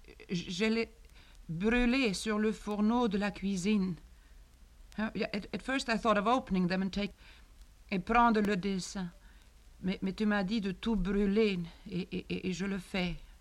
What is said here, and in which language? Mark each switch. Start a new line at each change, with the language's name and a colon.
French: Je l'ai brûlé sur le fourneau de la cuisine.
English: At first I thought of opening them and take...
French: et prendre le dessin. Mais tu m'as dit de tout brûler et je le fais.